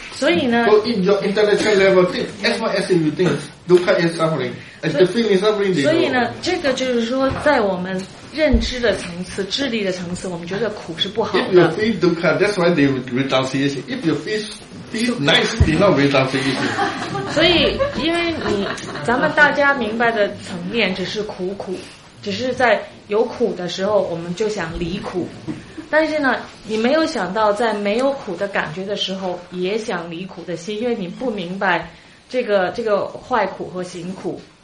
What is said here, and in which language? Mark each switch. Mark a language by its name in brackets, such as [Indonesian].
[English] so in your intellectual level think, as far as you think dukkha is suffering, as the feeling is suffering, [Chinese] 所以呢这个就是说在我们认知的层次，智力的层次，我们觉得苦是不好的。 [English] If you feel dukkha, that's why they renunciation. If you feel nice, they not renunciation. [Chinese] 所以因为你咱们大家明白的层面只是苦苦，只是在有苦的时候我们就想离苦。但是呢你没有想到在没有苦的感觉的时候也想离苦的心，因为你不明白这个坏苦和行苦。